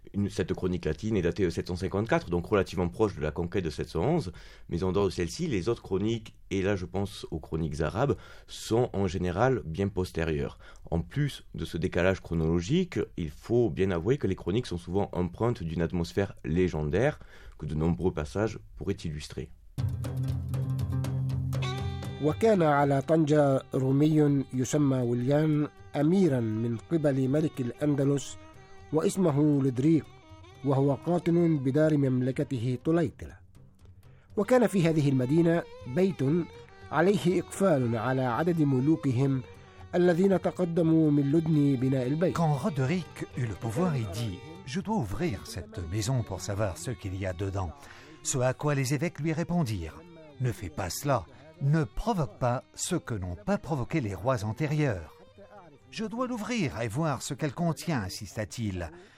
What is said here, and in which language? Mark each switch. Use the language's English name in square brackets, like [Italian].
[French] Cette chronique latine est datée de 754, donc relativement proche de la conquête de 711, mais en dehors de celle-ci, les autres chroniques, et là je pense aux chroniques arabes, sont en général bien postérieures. En plus de ce décalage chronologique, il faut bien avouer que les chroniques sont souvent empreintes d'une atmosphère légendaire que de nombreux passages pourraient illustrer. [Arabic] وكان على طنجة رومي يسمى وليان أميرا من قبل ملك الأندلس واسمه لدريق وهو قاطن بدار مملكته طليطلة وكان في هذه المدينة بيت عليه إقفال على عدد ملوكهم الذين تقدموا من لدن بناء البيت. [French] Quand Roderick eut le pouvoir, il dit: je dois ouvrir cette maison pour savoir ce qu'il y a dedans. Ce à quoi les évêques lui répondirent: ne fais pas cela, ne provoque pas ce que n'ont pas provoqué les rois antérieurs. Je dois l'ouvrir et voir ce qu'elle contient, insista-t-il.